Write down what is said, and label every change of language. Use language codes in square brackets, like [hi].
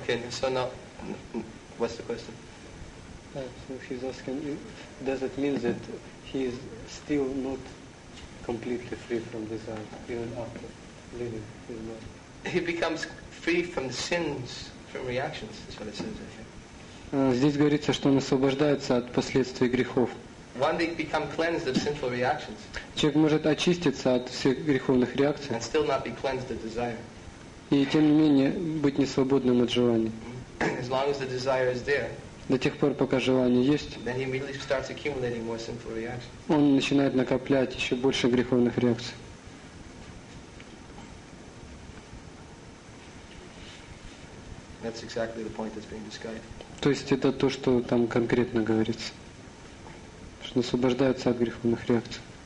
[en] So now, what's the question? So he's asking, does it mean that he is still not completely free from desire, even after leaving his body? He becomes free from sins, from reactions, is what it says here. [ru] Здесь говорится, что он освобождается от последствий грехов. [en] One day become cleansed of sinful reactions. [ru] Человек может очиститься от всех греховных реакций. [en] And still not be cleansed of desire. [ru] И тем не менее быть не свободным от желаний. [en] As long as the desire is there, [ru] до тех пор, пока желание есть, [en] then he immediately starts accumulating more sinful reactions. [ru] Он начинает накоплять еще больше греховных реакций. [en] That's exactly the point that's being described. [ru] То есть это то, что там конкретно говорится, что освобождается от греховных реакций.